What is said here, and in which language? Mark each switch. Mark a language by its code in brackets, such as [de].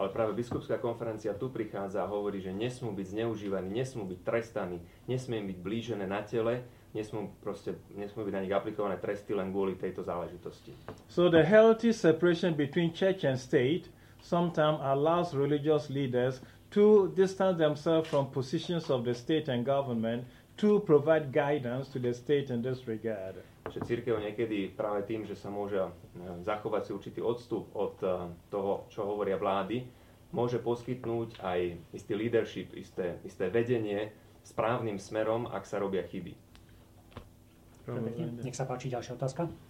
[sk] Ale práve biskupská konferencia tu prichádza a hovorí, že nesmú byť zneužívaní, nesmú byť trestaní, nesmie byť blížené na tele, nesmú byť na nich aplikované tresty len kvôli tejto záležitosti. [en] So the healthy separation between church and state sometimes allows religious leaders to distance themselves from positions of the state and government to provide guidance to the state in this regard. [sk] Že cirkev niekedy práve tým, že sa môže zachovať si určitý odstup od toho, čo hovoria vlády, môže poskytnúť aj istý leadership, isté vedenie správnym smerom, ak sa robia chyby. Nech sa páči, ďalšia otázka.